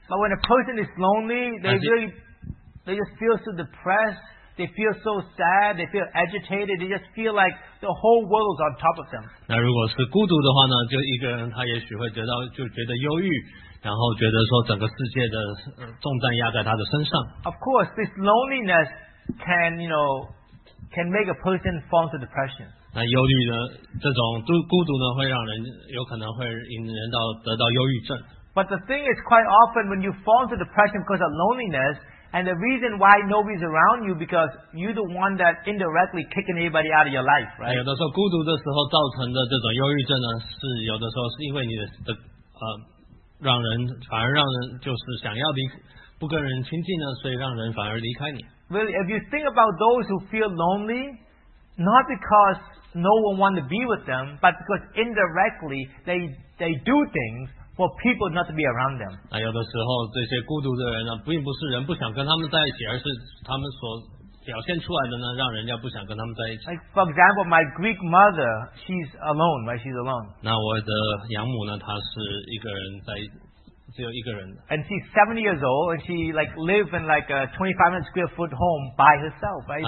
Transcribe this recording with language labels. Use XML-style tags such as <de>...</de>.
<en>But when a person is lonely, they really, they just feel so depressed. They feel so sad, they feel agitated, they just feel like the whole world is on top of them.</en> <zh>那如果是孤独的话呢, 就一个人, 他也许会觉得, 就觉得忧郁, 然后觉得说整个世界的, 重担压在他的身上。</zh> <en>Of course, this loneliness can, you know, can make a person fall into depression.</en> <zh>那忧虑呢, 这种孤独呢, 会让人, 有可能会引人到, 得到忧郁症。</zh> <en>But the thing is, quite often when you fall into depression because of loneliness, and the reason why nobody's around you because you're the one that indirectly kicking everybody out of your life, right?</en> <zh>有的时候孤独的时候造成的这种忧郁症呢, 是有的时候是因为你的, 让人反而让人就是想要离, 不跟人亲近呢, 所以让人反而离开你。</zh> <en>Really, if you think about those who feel lonely, not because no one wants to be with them, but because indirectly they do things for people not to be around them.</en> <zh>有的时候这些孤独的人呢, 并不是人不想跟他们在一起, 而是他们所表现出来的呢, 让人家不想跟他们在一起。</zh> <en>Like for example, my Greek mother, she's alone, right? She's alone.</en> <zh>那我的养母呢, 她是一个人在, 只有一个人,</zh> <en>and she's 70 years old, and she like lives in like a 2500 square foot home by herself.</en>